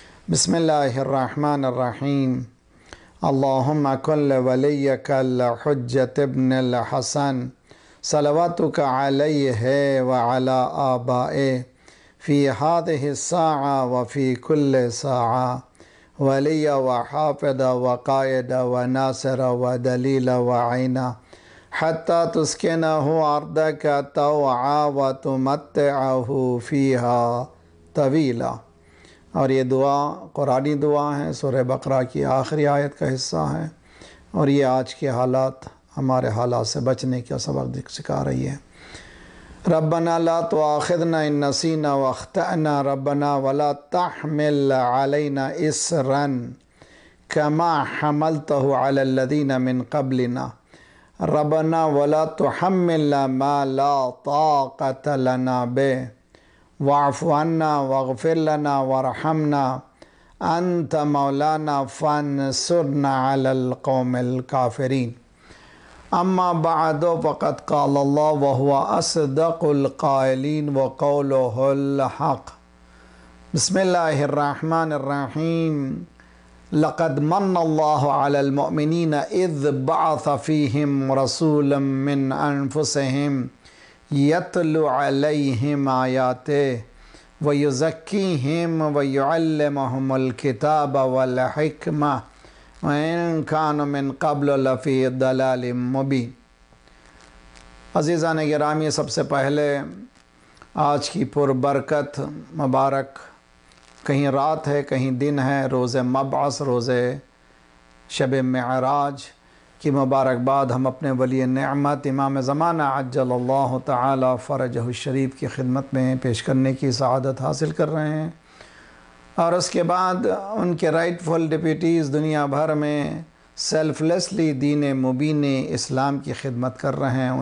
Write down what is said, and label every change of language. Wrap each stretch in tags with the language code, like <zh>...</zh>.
<ar>بسم اللہ الرحمن الرحیم. اللہم کل ولیک الحجت ابن الحسن صلواتک علیہ وعلا آبائے فی هذه الساعة وفی كل ساعة ولی وحافظ وقائد وناصر ودلیل وعین حتی تسکنه ارضک طوعا وتمتعه فیها طویلا.</ar> <ur>اور یہ دعا قرآنی دعا ہے، سورہ بقرہ کی آخری آیت کا حصہ ہے اور یہ آج کے حالات ہمارے حالات سے بچنے کا سبق سکھا رہی ہے.</ur> <ar>ربنا لا تؤاخذنا إن نسينا واخطأنا ربنا ولا تحمل علينا إصرا كما حملته على الذين من قبلنا ربنا ولا تحمل ما لا طاقة لنا به واعف عنا واغفر لنا وارحمنا أنت مولانا فانصرنا على القوم الكافرين. اما بعد فقد قال الله وهو اصدق القائلين وقوله الحق. بسم الله الرحمن الرحيم. لقد من الله على المؤمنين اذ بعث فيهم رسولا من انفسهم يتلو عليهم اياته ويزكيهم ويعلمهم الكتاب والحكمة وَإِن كَانُ مِن قَبْلُ لَفِي ضَلَالٍ مُبِينٍ.</ar> <ur>عزیزان گرامی، سب سے پہلے آج کی پربرکت مبارک، کہیں رات ہے کہیں دن ہے، روز مبعث روز شب معراج کی مبارک بعد ہم اپنے ولی نعمت امام زمانہ عجل اللہ تعالی فرجہ الشریف کی خدمت میں پیش کرنے کی سعادت حاصل کر رہے ہیں اور اس کے بعد ان کے</ur> <en>rightful deputies</en> <ur>دنیا بھر میں</ur> <en>selflessly</en> <ur>دین مبین اسلام کی خدمت کر رہے ہیں.</ur>